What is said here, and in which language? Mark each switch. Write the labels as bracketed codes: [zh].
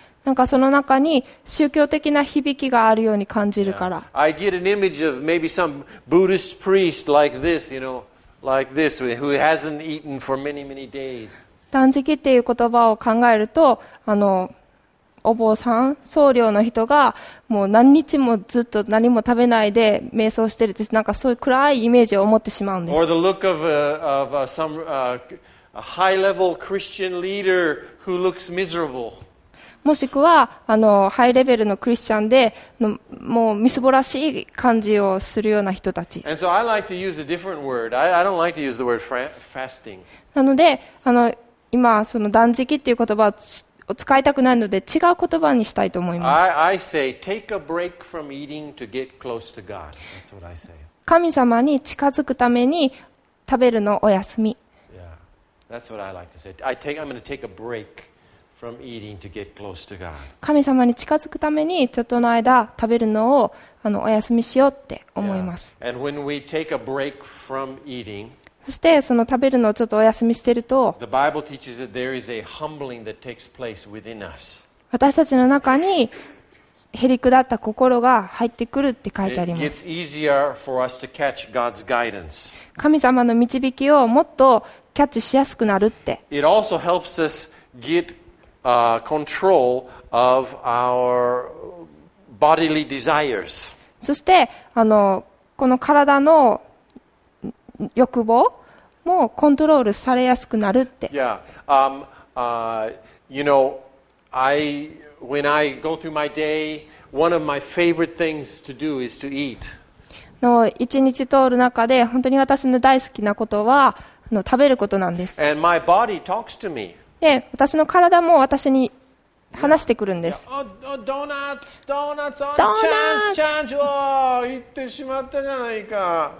[ja] なんかその中に宗教的な響きがあるように感じるから。 [en] Yeah. I get an image of maybe some Buddhist priest like this, you know, like this, who hasn't eaten for many, many days. [ja] 断食っていう言葉を考えると、お坊さん、僧侶の人がもう何日もずっと何も食べないで瞑想してるって、なんかそういう暗いイメージを持ってしまうんです。 [en] Or the look of a high-level Christian leader who looks miserable. [ja] もしくはハイレベルのクリスチャンでのもうみすぼらしい感じをするような人たち。 [en] And so I like to use a different word. I don't like to use the word fasting. [ja] なので今その断食っていう言葉を使いたくないので違う言葉にしたいと思います。 [en] I say take a break from eating to get close to God. That's what I say. [ja] 神様に近づくために食べるのお休み。 [en] Yeah, that's what I like to say. I'm going to take a break. From eating to get close to God. [ja] 神様に近づくためにちょっとの間食べるのをお休みしようって思います。 Yeah. [en] And when we take a break from eating, [ja] そしてその食べるのをちょっとお休みしてると、 [en] The Bible teaches that there is a humbling that takes place within us. [ja] 私たちの中にへりくだった心が入ってくるって書いてあります。 [en] It's easier for us to catch God's guidance. [ja] 神様の導きをもっとキャッチしやすくなるって。 [en] It also helps us getcontrol of our bodily desires. [ja] そしてこの体の欲望もコントロールされやすくなるって。 [en] Yeah. You know, when I go through my day, one of my favorite things to do is to eat. [ja] の一日通る中で本当に私の大好きなことは食べることなんです。 [en] And my body talks to me. [ja] で私の体も私に話してくるんです。ドーナツ、ドーナツ、ドーナツ、チャンス、おー、言ってしまったじゃないか。